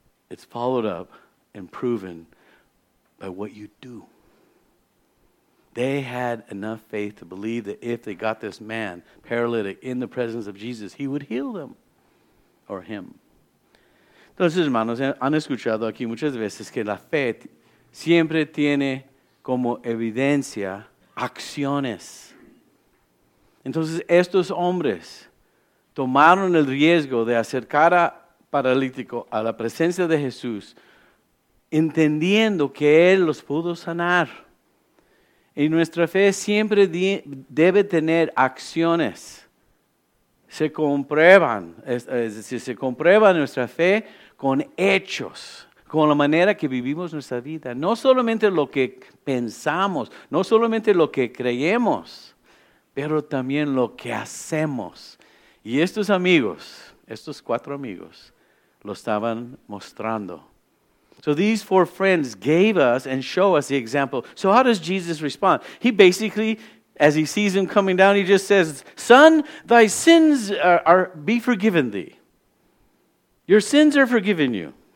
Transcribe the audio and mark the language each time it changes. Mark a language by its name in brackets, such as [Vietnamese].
[English] It's followed up and proven by what you do. They had enough faith to believe that if they got this man paralytic in the presence of Jesus, He would heal them or him. [Spanish] Entonces, hermanos, han escuchado aquí muchas veces que la fe siempre tiene como evidencia acciones. Entonces, estos hombres tomaron el riesgo de acercar a paralítico a la presencia de Jesús, entendiendo que Él los pudo sanar. Y nuestra fe siempre debe tener acciones. Se comprueban, es decir, se comprueba nuestra fe con hechos, con la manera que vivimos nuestra vida. No solamente lo que pensamos, no solamente lo que creemos, pero también lo que hacemos. Y estos amigos, estos cuatro amigos, lo estaban mostrando. [English] So these four friends gave us and show us the example. So how does Jesus respond? He basically, as He sees him coming down, He just says, Son, thy sins are be forgiven thee. Your sins are forgiven you.